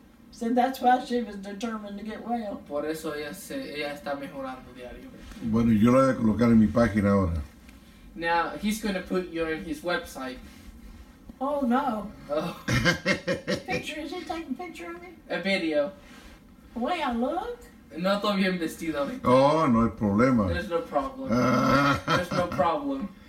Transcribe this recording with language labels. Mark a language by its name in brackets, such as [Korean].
[English] So that's why she was determined to get well. [Spanish] Por eso ella, se, ella está mejorando diario. Bueno, yo la voy a colocar en mi página ahora. [English] Now, he's going to put you on his website. Oh no. Oh. Picture, is he taking a picture of me? A video. The way I look? [Spanish] No estoy bien vestido. Oh, no hay problema. [English] There's no problem. There's no problem.